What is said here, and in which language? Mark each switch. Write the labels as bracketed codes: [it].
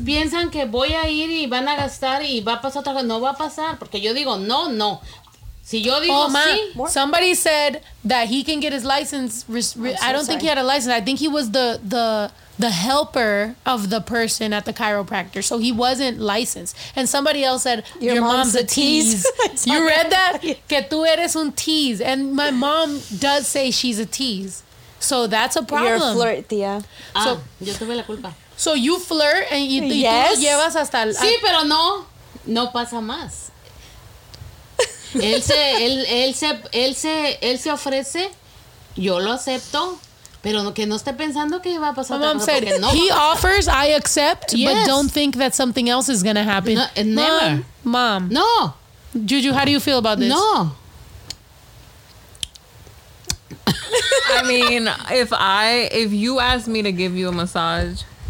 [es] Piensan que voy a ir y van a gastar y va a pasar otra cosa. No va a pasar porque yo digo, no, no. Si yo digo [en] somebody said that he can get his license. I don't think he had a license. I think he was the helper of the person at the chiropractor. So he wasn't licensed. And somebody else said, your mom's a tease. You read that? [es] Que tú eres un [en] tease. And my mom does say she's a tease. So that's a problem. You're a flirt, tía. [es] Yo tuve la culpa. So you flirt and you tú lo llevas hasta... Sí, pero no. No pasa más. él se ofrece, yo lo acepto, pero que no esté pensando que va a pasar. [en] My mom said, [es] no, [en] he offers, I accept, yes. But don't think that something else is going to happen. No, never. Mom. No. Juju, how do you feel about this? No. I mean, if you ask me to give you a massage...